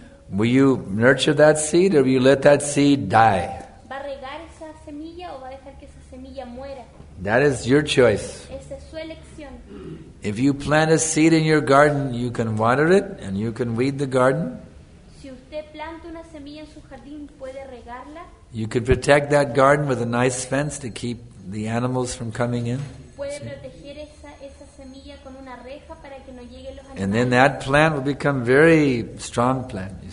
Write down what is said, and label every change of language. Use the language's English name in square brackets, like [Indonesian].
[English] Will you nurture that seed or will you let that seed die? [Spanish] ¿Va a regar esa semilla o va a dejar que esa semilla muera? [English] That is your choice. [Spanish] Esa es su elección. [English] If you plant a seed in your garden, you can water it and you can weed the garden. [Spanish] Si usted planta una semilla en su jardín, puede regarla. [English] You can protect that garden with a nice fence to keep the animals from coming in. [Spanish] ¿Puede proteger esa semilla con una reja para que no lleguen los animales? [English] And then that plant will become a very strong plant.